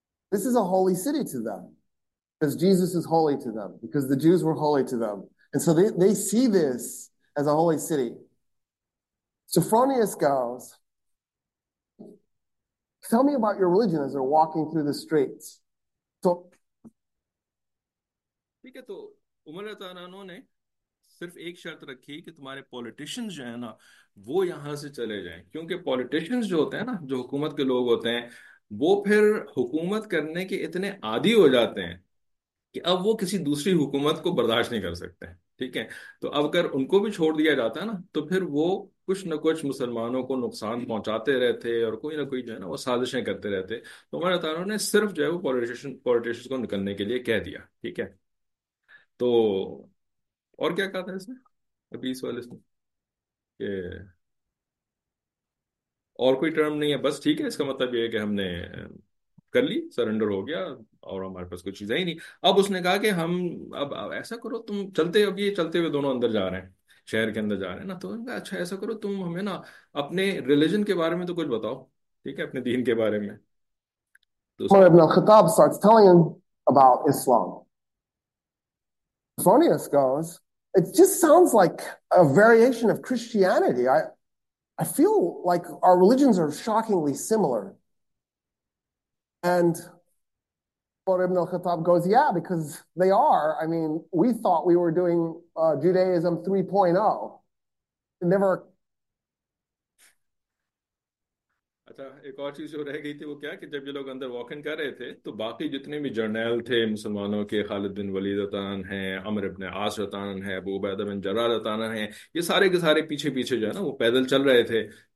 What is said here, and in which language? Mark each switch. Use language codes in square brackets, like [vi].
[en] This is a holy city to them because Jesus is holy to them, because the Jews were holy to them. And so they see this as a holy city. Sophronius tell me about your religion as they're walking through the streets. So [hi] ठीक है, तो उमर रतानानों ने सिर्फ एक शर्त रखी कि तुम्हारे पॉलिटिशियंस जो है ना वो यहां से चले जाएं, क्योंकि पॉलिटिशियंस जो होते हैं ना, जो हुकूमत के लोग होते हैं, वो फिर हुकूमत करने के इतने आदी हो जाते हैं कि अब वो किसी दूसरी हुकूमत को बर्दाश्त नहीं कर सकते हैं, ठीक है। तो अब अगर उनको भी छोड़ दिया जाता है ना, तो फिर वो कुछ ना कुछ मुसलमानों को नुकसान पहुंचाते रहते और कोई ना कोई जो है ना वो साजिशें करते रहते। तो उमर रतानों ने सिर्फ जो है वो पॉलिटिशियंस को निकलने के लिए कह दिया, ठीक है। तो और क्या कहा था इसमें, अभी इस वाले इसमें कि और कोई टर्म नहीं है, बस ठीक है, इसका मतलब ये है कि हमने कर ली, सरेंडर हो गया और हमारे पास कुछ चीजें ही नहीं। अब उसने कहा कि हम अब ऐसा करो, तुम चलते, अब ये चलते हुए दोनों अंदर जा रहे हैं, शहर के अंदर जा रहे हैं ना, तो उसने कहा अच्छा ऐसा करो, तुम हमें ना अपने रिलीजन के बारे में तो कुछ बताओ, ठीक है, अपने दीन के बारे में। तो [en] Umar [hi] उसने [en] ibn al-Khattab starts telling him about Islam. Sophronius goes, it just sounds like a variation of Christianity. I feel like our religions are shockingly similar. And Umar ibn al-Khattab goes, yeah, because they are. I mean, we thought we were doing Judaism 3.0. It never. [hi] अच्छा एक और चीज जो रह गई थी वो क्या, कि जब ये लोग अंदर वॉक इन कर रहे थे, तो बाकी जितने भी जर्नैल थे मुसलमानों के, खालिद बिन वलीद रतान हैं, अमर इबन आस रतान हैं, अबू उबैदा बिन जर्रा रतान हैं, ये सारे के सारे पीछे पीछे जो है ना वो पैदल चल रहे थे।